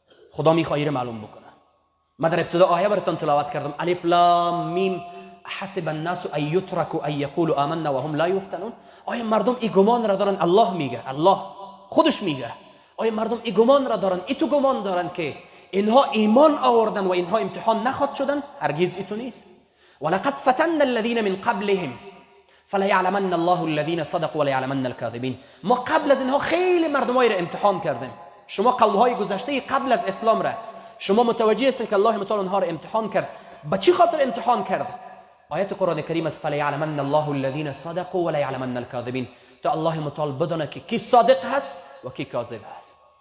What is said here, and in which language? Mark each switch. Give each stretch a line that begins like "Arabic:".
Persian: خدا میخواهد این را معلوم بکنه. من در ابتدا آیه براتون تلاوت کردم
Arabic: الف لام میم حسب الناس ان يتركوا ان يقولوا آمنا وهم لا يفتنون.
Persian: آیا مردم ای گمان را دارن؟ الله میگه، الله خودش میگه، آیا مردم ای گمان را دارن، ای تو گمان دارن که اینها ایمان آوردن و اینها امتحان نخواهد شدن؟ هرگز ای تو نیست.
Arabic: ولقد فتنا الذين من قبلهم فليعلمن الله الذين صدقوا وليعلمن الكاذبين.
Persian: ما قبل از اینها خیلی مردمای را امتحان کردیم. شما قوم‌های گذشته قبل از اسلام را شما متوجه هستید که الله متعال اونها را امتحان کرد. به چی خاطر امتحان کرد؟ آیت قرآن کریم است
Arabic: فليعلمن الله الذين صدقوا وليعلمن الكاذبين.
Persian: تا الله متعال بدانه که کی صادق هست و کی کاذب هست.